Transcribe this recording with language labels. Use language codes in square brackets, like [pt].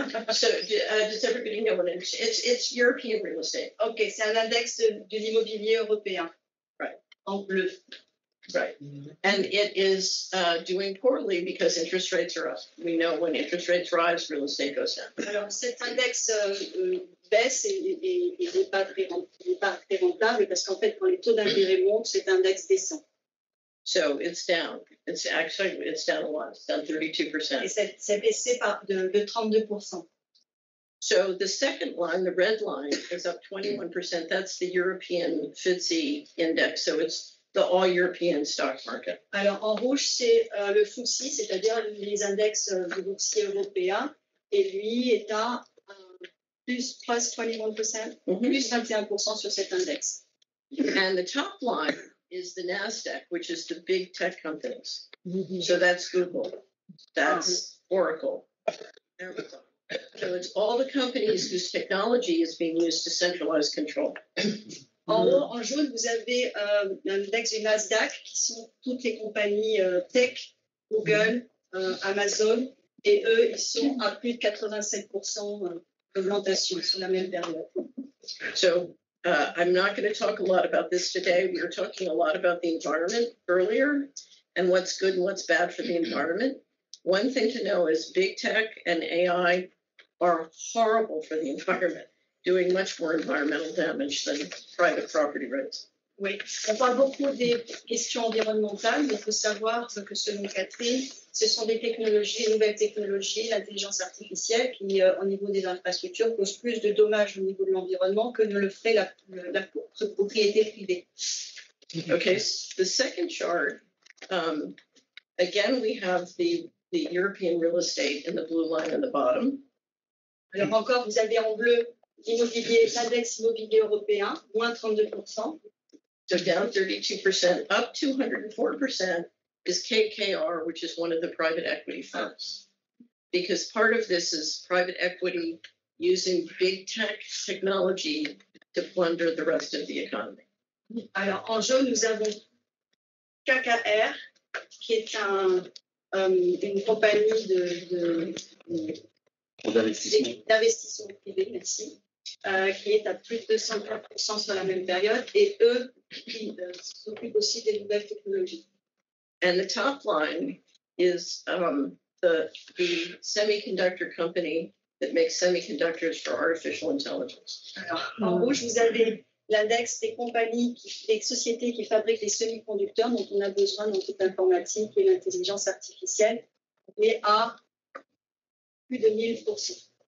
[en] So does everybody know what it's European real estate? [fr] Okay, c'est un index de l'immobilier européen. [en] Right. [fr] En bleu. [en] Right. Mm-hmm. And it is doing poorly because interest rates are up. We know when interest rates rise, real estate goes down. [fr] Alors cet index baisse et n'est pas très rentable parce qu'en fait quand les taux d'intérêt montent, cet index descend. [en] So it's down. It's down a lot. It's down 32%. [fr] Et c'est baissé de 32%. [en] So the second line, the red line, is up 21%. That's the European FTSE index. So it's the all European stock market. [fr] Alors en rouge, c'est le FTSE, c'est-à-dire les index boursiers européens. Et lui est à plus 21%, mm-hmm. plus 21% sur cet index. [en] And the top line is the Nasdaq, which is the big tech companies. Mm-hmm. So that's Google, that's Oracle, Amazon. So it's all the companies whose technology is being used to centralize control. [fr] En jaune, vous avez l'index du Nasdaq, qui sont toutes les compagnies tech, Google, Amazon, et eux, ils sont à plus de 85% d'augmentation sur la même période. [en] So, I'm not going to talk a lot about this today. We were talking a lot about the environment earlier and what's good and what's bad for the environment. One thing to know is big tech and AI are horrible for the environment, doing much more environmental damage than private property rights. [fr] Oui, on parle beaucoup des questions environnementales, mais il faut savoir que selon Catherine, ce sont des technologies, nouvelles technologies, l'intelligence artificielle qui, au niveau des infrastructures, cause plus de dommages au niveau de l'environnement que ne le ferait la propriété privée. [en] OK, the second chart, again, we have the European real estate in the blue line on the bottom. [fr] Alors encore, vous avez en bleu l'immobilier, l'index immobilier européen, moins 32%. [en] So down 32%, up 204% is KKR, which is one of the private equity funds. Because part of this is private equity using big tech technology to plunder the rest of the economy. [fr] Alors, en jaune, nous avons KKR, qui est une compagnie d'investissement privé, merci, qui est à plus de 204% sur la même période, et eux, qui s'occupent aussi des nouvelles technologies. [en] And the top line is the semiconductor company that makes semiconductors for artificial intelligence. [fr] Alors, en rouge, vous avez l'index des compagnies, des sociétés qui fabriquent les semi-conducteurs dont on a besoin dans toute l'informatique et l'intelligence artificielle, mais à plus de 1000%.